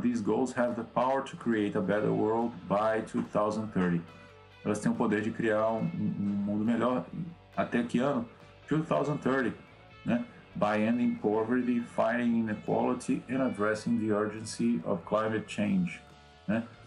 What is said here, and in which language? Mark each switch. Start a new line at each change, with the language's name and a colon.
English: These goals have the power to create a better world by 2030.
Portuguese: Elas têm o poder de criar um mundo melhor até que ano? 2030, né?
English: By ending poverty, fighting inequality and addressing the urgency of climate change, né?